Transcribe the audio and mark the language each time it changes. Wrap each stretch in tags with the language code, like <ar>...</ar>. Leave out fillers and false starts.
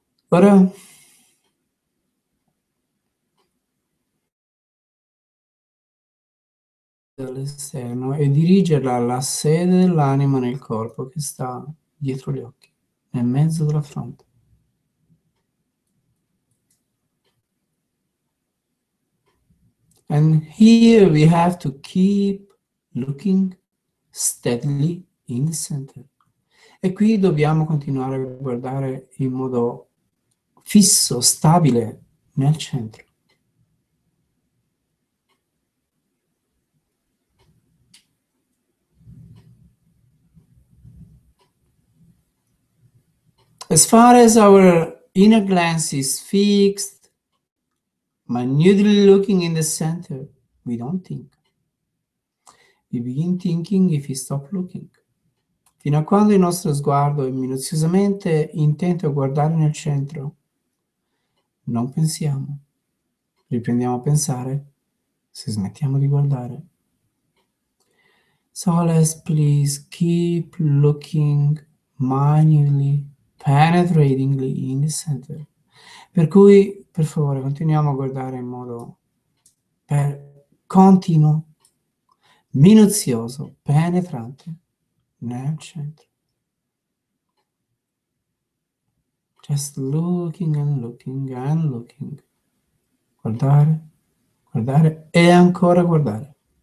<it>But all'esterno e dirigerla alla sede dell'anima nel corpo che sta dietro gli occhi, nel mezzo della fronte.</it> <en>And here we have to keep looking steadily in the center.</en> <it>E qui dobbiamo continuare a guardare in modo fisso, stabile, nel centro.</it> <en>As far as our inner glance is fixed, minutely looking in the center, we don't think. We begin thinking if we stop looking.</en> <it>Fino a quando il nostro sguardo è minuziosamente intento a guardare nel centro, non pensiamo. Riprendiamo a pensare se smettiamo di guardare.</it> <en>So let's please keep looking minutely, penetratingly in the center.</en> <it>Per cui, per favore, continuiamo a guardare in modo continuo, minuzioso, penetrante nel centro.</it> <en>Just looking and looking and looking.</en> <it>Guardare, guardare e ancora guardare.</it>